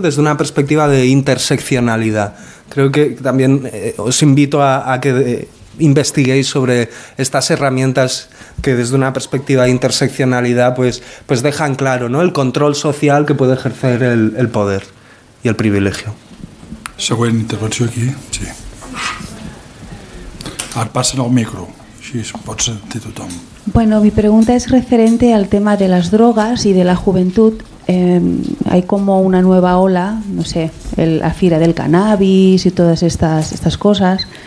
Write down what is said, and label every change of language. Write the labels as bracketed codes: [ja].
[es] Desde una perspectiva de interseccionalidad. Creo que también os invito a que investiguéis sobre estas herramientas que desde una perspectiva de interseccionalidad pues dejan claro, ¿no? El control social que puede ejercer el poder y el privilegio. [ca] Següent intervenció aquí. Sí. Ara passen al micro, així es pot sentir tothom. [es] Bueno, mi pregunta es referente al tema de las drogas y de la juventud. Hay como una nueva ola, no sé, la fira del cannabis y todas estas cosas.